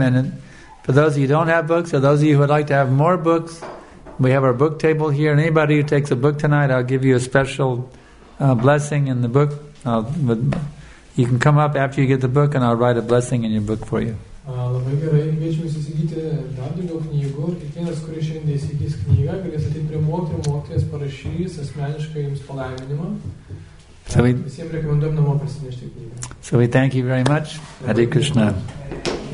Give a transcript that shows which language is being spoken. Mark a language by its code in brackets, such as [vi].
[en] And for those of you who don't have books, or those of you who would like to have more books, we have our book table here. And anybody who takes a book tonight, I'll give you a special blessing in the book. You can come up after you get the book, and I'll write a blessing in your book for you. [lt] Labai gerai, kviečiu jūs įsigyti dar daugiau knygų. Kiekvienas, kuris šiandien įsigys knygą, galės ateiti prie mokytojų, mokytojas parašys asmeniškai jums palaiminimą. [en] So [lt] visiems rekomenduojam namo prisinešti knygą. [en] So we thank you very much. Hare Krishna. Krishna.